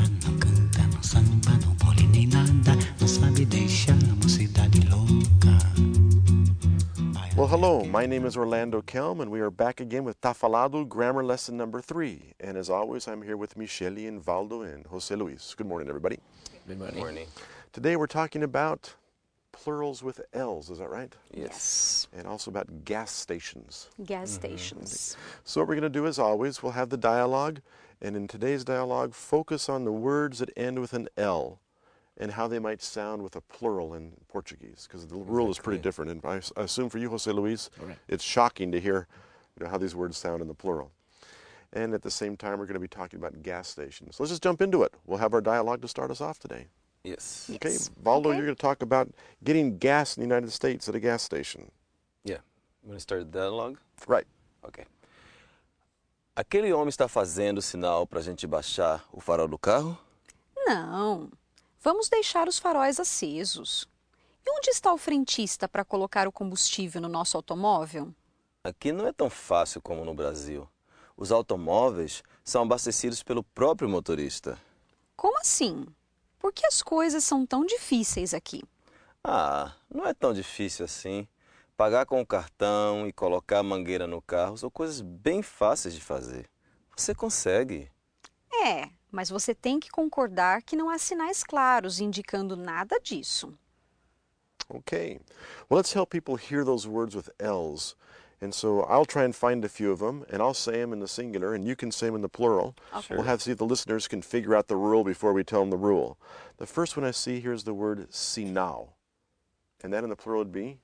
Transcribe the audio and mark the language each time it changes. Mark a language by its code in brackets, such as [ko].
[pt] Não canta no samba, não pole nem nada. Não sabe deixar a mocidade louca. [en] Well, hello, my name is Orlando Kelm, and we are back again with Tafalado, grammar lesson number 3. And as always, I'm here with Michele and Valdo and Jose Luis. Good morning, everybody. Good morning. Good morning. Today we're talking about plurals with L's, is that right? Yes. And also about gas stations. Gas stations. So what we're going to do, as always, we'll have the dialogue, and in today's dialogue, focus on the words that end with an L. And how they might sound with a plural in Portuguese, because the rule is pretty different. And I assume for you, Jose Luis, it's shocking to hear, you know, how these words sound in the plural. And at the same time, we're going to be talking about gas stations. So let's just jump into it. We'll have our dialogue to start us off today. Yes. Okay, Valdo, you're going to talk about getting gas in the United States at a gas station. Yeah. You want to start the dialogue? Right. Okay. [pt] Aquele homem está fazendo sinal para a gente baixar o farol do carro? Não. Vamos deixar os faróis acesos. E onde está o frentista para colocar o combustível no nosso automóvel? Aqui não é tão fácil como no Brasil. Os automóveis são abastecidos pelo próprio motorista. Como assim? Por que as coisas são tão difíceis aqui? Ah, não é tão difícil assim. Pagar com o cartão e colocar a mangueira no carro são coisas bem fáceis de fazer. Você consegue. É. Mas você tem que concordar que não há sinais claros indicando nada disso. [en] Okay. Well, let's help people hear those words with L's. And so I'll try and find a few of them, and I'll say them in the singular, and you can say them in the plural. Okay. Sure. We'll have to see if the listeners can figure out the rule before we tell them the rule. The first one I see here is the word sinal. And that in the plural would be?